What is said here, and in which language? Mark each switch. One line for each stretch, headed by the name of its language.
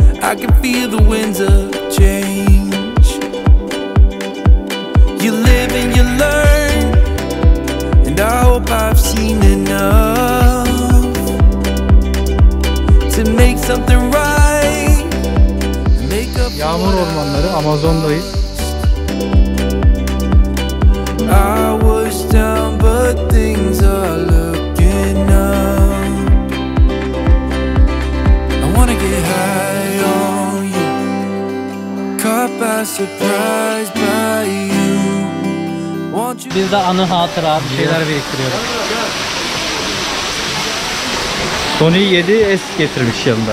English: I can feel the winds of change. You live and you learn, and I hope I've seen enough to make something right. Make up.
Turkish: Yağmur ormanları, Amazon'dayız.
English: I was down, but things are looking up. I wanna get high on you, caught by surprise by you. Won't you?
Turkish: Biz de anı hatıra bir şeyler biriktiriyoruz. Sony 7S getirmiş yanında.